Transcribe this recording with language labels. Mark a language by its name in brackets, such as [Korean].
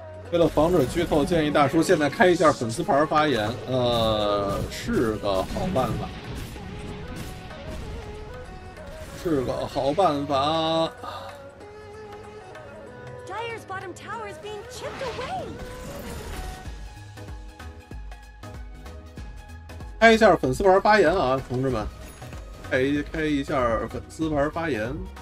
[Chinese] 为了防止剧透，建议大叔现在开一下粉丝牌发言，是个好办法。 [English] Dire's bottom tower is being chipped away。 [Chinese] 开一下粉丝牌发言啊，同志们，开一下粉丝牌发言。